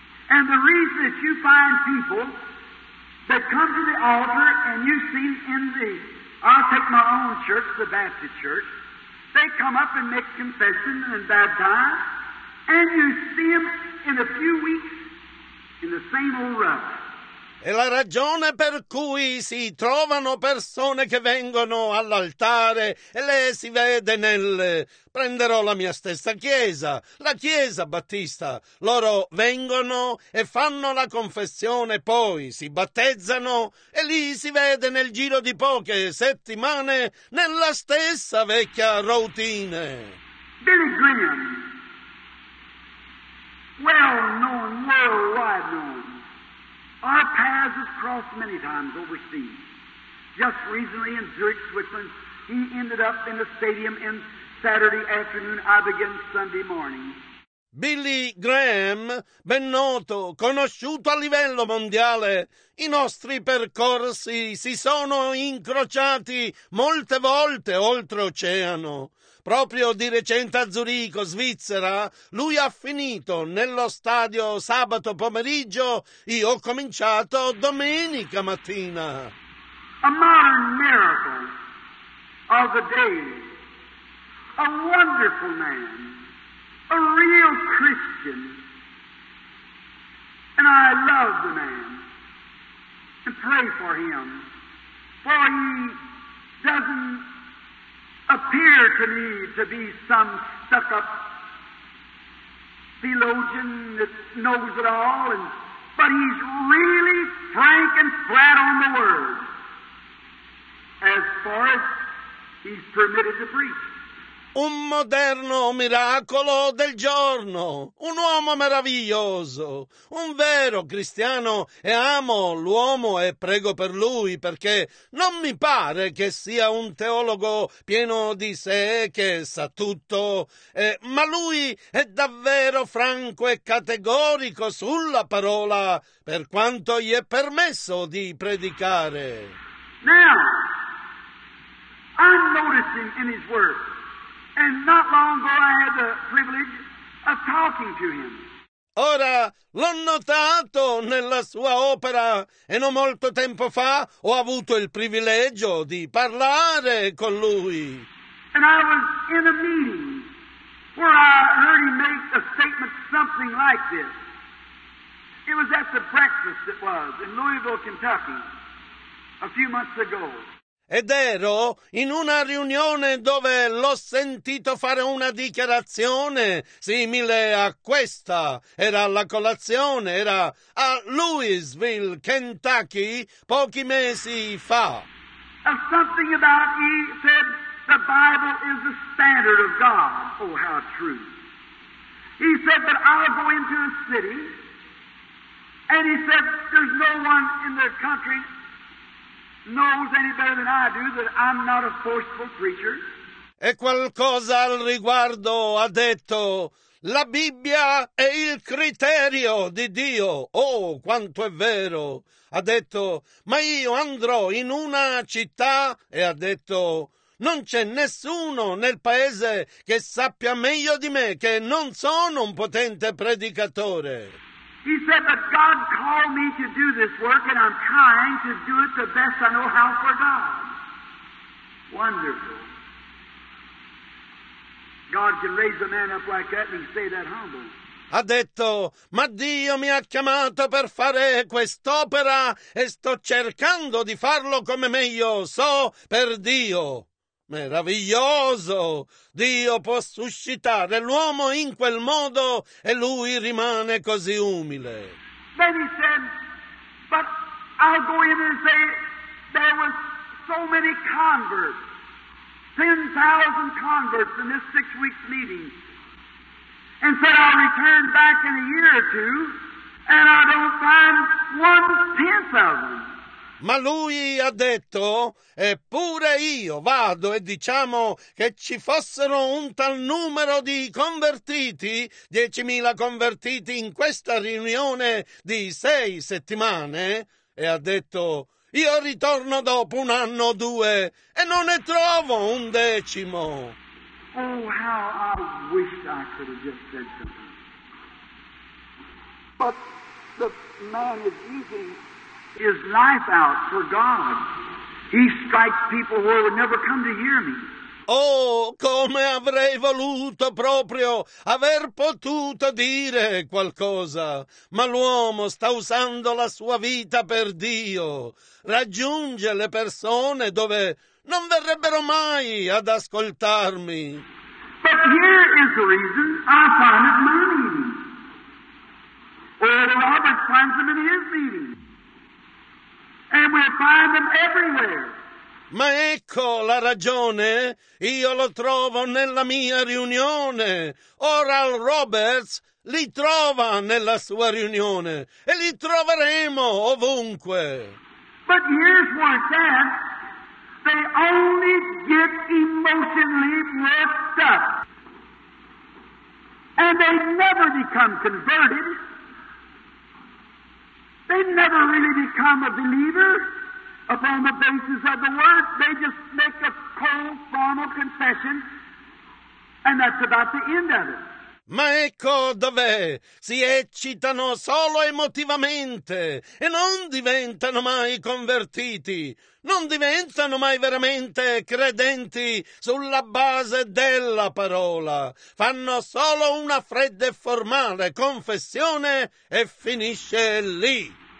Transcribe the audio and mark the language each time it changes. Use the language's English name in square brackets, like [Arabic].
[English] And the reason that you find people that come to the altar and you see in the, I'll take my own church, the Baptist church, they come up and make confession and baptize, and you see them in a few weeks in the same old rut. [Italian] E la ragione per cui si trovano persone che vengono all'altare e le si vede nel... Prenderò la mia stessa chiesa, la chiesa battista. Loro vengono e fanno la confessione, poi si battezzano e lì si vede nel giro di poche settimane nella stessa vecchia routine. [English] Billy Graham, well known, worldwide known. Our paths have crossed many times overseas. Just recently in Zurich, Switzerland, he ended up in the stadium in Saturday afternoon. I began Sunday morning. [Italian] Billy Graham, ben noto, conosciuto a livello mondiale, i nostri percorsi si sono incrociati molte volte oltreoceano. Proprio di recente a Zurigo, Svizzera, lui ha finito nello stadio sabato pomeriggio, io ho cominciato domenica mattina. [English] A modern miracle of the day, a wonderful man. A real Christian, and I love the man, and pray for him, for he doesn't appear to me to be some stuck-up theologian that knows it all, but he's really frank and flat on the word, as far as he's permitted to preach. [Italian] Un moderno miracolo del giorno, un uomo meraviglioso, un vero cristiano e amo l'uomo e prego per lui perché non mi pare che sia un teologo pieno di sé che sa tutto, ma lui è davvero franco e categorico sulla parola per quanto gli è permesso di predicare. [English] Now, I'm noticing in his words. And not long ago I had the privilege of talking to him. [Italian] Ora, l'ho notato nella sua opera e non molto tempo fa ho avuto il privilegio di parlare con lui. [English] And I was in a meeting where I heard him make a statement something like this. It was at the breakfast it was in Louisville, Kentucky, a few months ago. [Italian] Ed ero in una riunione dove l'ho sentito fare una dichiarazione simile a questa. Era alla colazione, era a Louisville, Kentucky, pochi mesi fa. [English] Something about he said the Bible is the standard of God. Oh, how true. He said that I'll go into a city and he said there's no one in their country knows any better than I do that I'm not a forceful preacher. [Italian] E qualcosa al riguardo ha detto, la Bibbia è il criterio di Dio. Oh, quanto è vero! Ha detto, ma io andrò in una città e ha detto, non c'è nessuno nel paese che sappia meglio di me che non sono un potente predicatore. [English] He said that God called me to do this work and I'm trying to do it the best I know how for God. Wonderful. God can raise a man up like that and stay that humble. [Italian] Ha detto, ma Dio mi ha chiamato per fare quest'opera e sto cercando di farlo come meglio so per Dio. Meraviglioso! Dio può suscitare l'uomo in quel modo e lui rimane così umile. [English] Then he said, but I'll go in and say there was so many converts, 10,000 converts in this 6-week meeting. And said I'll return back in a year or two and I don't find 1/10 of them. [Italian] Ma lui ha detto, eppure io vado e diciamo che ci fossero un tal numero di convertiti, 10,000 convertiti in questa riunione di 6 settimane, e ha detto, io ritorno dopo un anno o due e non ne trovo 1/10. [English] Oh, how I wish I could have just said something. But the man is easy to speak to. His life out for God. He strikes people who would never come to hear me. [Italian] Oh, come avrei voluto proprio aver potuto dire qualcosa, ma l'uomo sta usando la sua vita per Dio, raggiunge le persone dove non verrebbero mai ad ascoltarmi. [English] But here is the reason I find it money. Oral Roberts finds them in his meetings. And we find them everywhere. [Italian] Ma ecco la ragione, io lo trovo nella mia riunione. Oral Roberts li trova nella sua riunione e li troveremo ovunque. [English] But here's what that. They only get emotionally wrapped up. And they never become converted. They never really become a believer upon the basis of the word. They just make a cold, formal confession, and that's about the end of it. [Italian] Ma ecco dov'è, si eccitano solo emotivamente e non diventano mai convertiti, non diventano mai veramente credenti sulla base della parola, fanno solo una fredda e formale confessione e finisce lì.